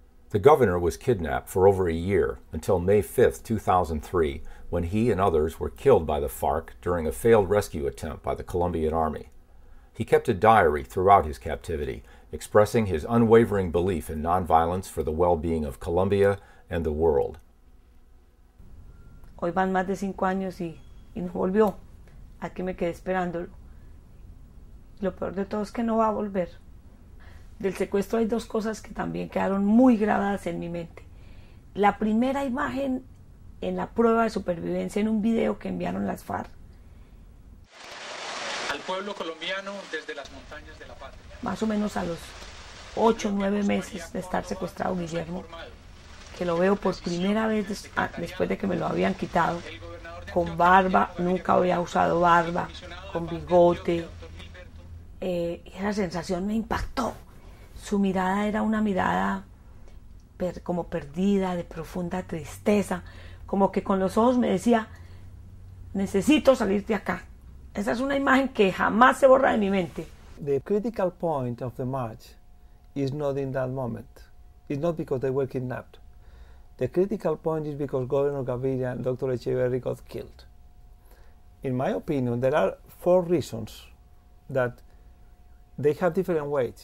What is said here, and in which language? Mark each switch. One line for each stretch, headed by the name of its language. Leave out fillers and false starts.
English: The governor was kidnapped for over a year until May 5th, 2003, when he and others were killed by the FARC during a failed rescue attempt by the Colombian Army. He kept a diary throughout his captivity, expressing his unwavering belief in nonviolence for the well-being of Colombia and the world.
Spanish: Hoy van más de 5 años y no volvió. Aquí me quedé esperándolo. Lo peor de todo es que no va a volver. Del secuestro hay dos cosas que también quedaron muy grabadas en mi mente. La primera imagen en la prueba de supervivencia en un video que enviaron las FARC. Al pueblo colombiano desde las montañas de la patria. Más o menos a los 8 o 9 meses de estar secuestrado Guillermo, que lo veo por primera vez después de que me lo habían quitado, con barba, nunca había usado barba, con bigote. Esa sensación me impactó. su mirada era una mirada como perdida, de profunda tristeza, como que con los ojos me decía, necesito salir de acá. Esa es una imagen que jamás se borra de mi mente.
English: The critical point of the march is not in that moment. It's not because they were kidnapped. The critical point is because Governor Gaviria and Dr. Echeverri got killed. In my opinion, there are four reasons that they have different weights.